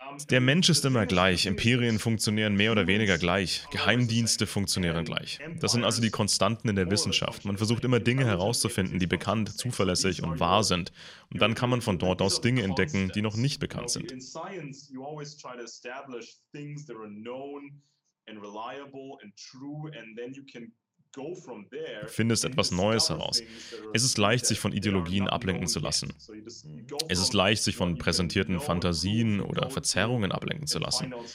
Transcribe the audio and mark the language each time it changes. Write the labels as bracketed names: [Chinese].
[German] Der Mensch ist immer gleich, Imperien funktionieren mehr oder weniger gleich, Geheimdienste funktionieren gleich. Das sind also die Konstanten in der Wissenschaft. Man versucht immer Dinge herauszufinden, die bekannt, zuverlässig und wahr sind. Und dann kann man von dort aus Dinge entdecken, die noch nicht bekannt sind. [English] In Science, you always try to establish things that are known and reliable and true, and then you can [German] du findest etwas Neues heraus. Es ist leicht, sich von Ideologien ablenken zu lassen. Es ist leicht, sich von präsentierten Fantasien oder Verzerrungen ablenken zu lassen.